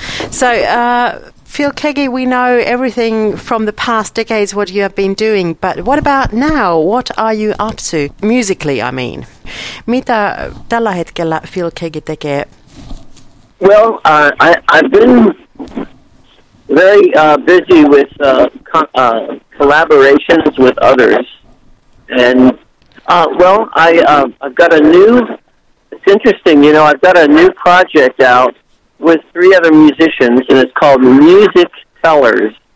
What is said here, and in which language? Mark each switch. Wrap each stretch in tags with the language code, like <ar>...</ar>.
<en>So, Phil Keggi, we know everything from the past decades, what you have been doing, but what about now? What are you up to, musically, I mean?</en> <fi>Mitä tällä hetkellä Phil Keggi tekee?</fi> <en>Well, I've been very busy with collaborations with others. And, I've got a new, it's interesting, you know, I've got a new project out with three other musicians, and it's called Music Tellers.</en>